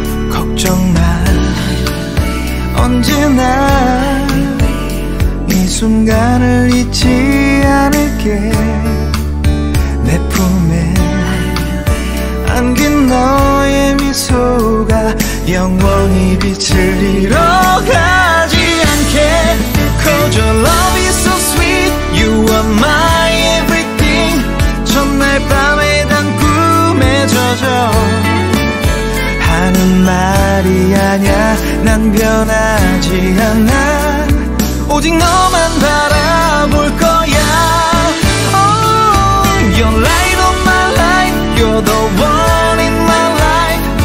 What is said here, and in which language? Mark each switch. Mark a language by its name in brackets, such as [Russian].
[Korean] 걱정 마, 언제나 이 순간을 잊지 않을게. 내 품에 안긴 너의 미소. 미소가 영원히 빛을 잃어가지 않게. [English] 'Cause your love is so sweet, you are my everything. [Korean] 첫날 밤에 난 꿈에 젖어 하는 말이 아냐, 난 변하지 않아. 오직 너만 바라볼 거야. [English] Oh, your light on my life, you're the one in my life.